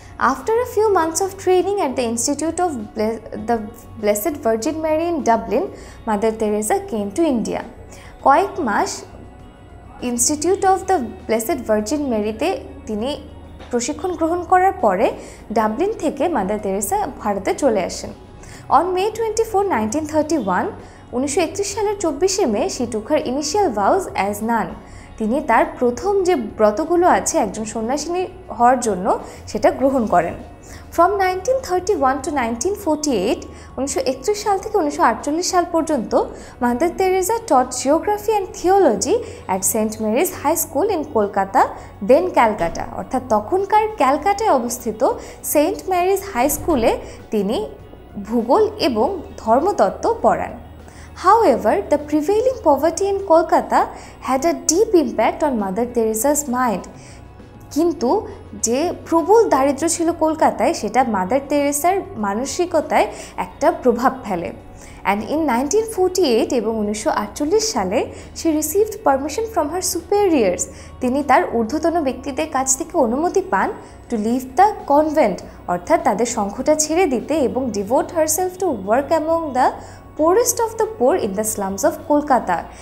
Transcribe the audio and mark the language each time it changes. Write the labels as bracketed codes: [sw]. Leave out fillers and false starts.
[en] After a few months of training at the Institute of the Blessed Virgin Mary in Dublin, Mother Teresa came to India. [bn] কয়েক মাস Institute of the Blessed Virgin Mary তে তিনি প্রশিক্ষণ গ্রহণ করার পরে Dublin থেকে mother Teresa ভারতে চলে আসেন। [en] on May 24, 1931, [bn] 1931 সালের 24শে মে, [en] she took her initial vows as nun, [bn] তিনি তার প্রথম যে ব্রতগুলো আছে একজন সন্ন্যাসিনী হওয়ার জন্য সেটা গ্রহণ করেন। [en] from 1931 to 1948, [bn] 1931 সাল থেকে 1948 সাল পর্যন্ত, [en] mother Teresa taught geography and theology at saint Mary's high school in Kolkata, then Calcutta, [bn] অর্থাৎ তখনকার ক্যালকাটায় অবস্থিত সেন্ট মেরিজ হাই স্কুলে তিনি ভূগোল এবং ধর্মতত্ত্ব পড়ান। [en] However, the prevailing poverty in Kolkata had a deep impact on Mother Teresa's mind. [bn] কিন্তু যে প্রবল দারিদ্র ছিল কলকাতায়, সেটা মাদার তেরেসার মানসিকতায় একটা প্রভাব ফেলে। [en] and in 1948 [bn] এবং 1948 সালে, [en] she received permission from her superiors, [bn] তিনি তার ঊর্ধ্বতন ব্যক্তিদের কাছ থেকে অনুমতি পান [en] to leave the convent, [bn] অর্থাৎ তাদের সংঘটা ছেড়ে দিতে এবং [en] Devote herself to work among the poorest of the poor in the slums of Kolkata.